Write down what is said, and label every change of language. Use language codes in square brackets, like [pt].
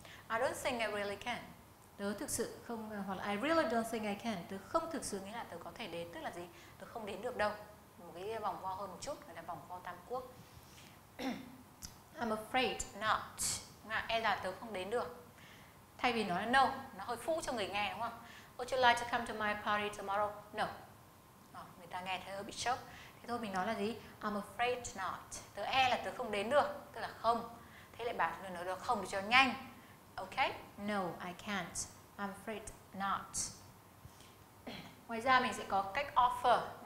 [en] I don't think I really can. [vi] Tớ thực sự không, hoặc là [en] I really don't think I can. [vi] Tớ không thực sự nghĩ là tớ có thể đến. Tức là gì? Tớ không đến được đâu. Một cái vòng vo hơn một chút, gọi là vòng vo tam quốc. [en] I'm afraid not. [vi] E là tớ không đến được. Thay vì nói là no, nó hơi phũ cho người nghe đúng không? [en] Would you like to come to my party tomorrow? No. [vi] Người ta nghe thấy hơi bị sốc. Thế thôi mình nói là gì? [en] I'm afraid not. [vi] Tớ e là tớ không đến được, tức là không. Thế lại bảo người nói được không cho nhanh. Ok? [en] No, I can't. I'm afraid not. [vi] Ngoài ra mình sẽ có cách offer.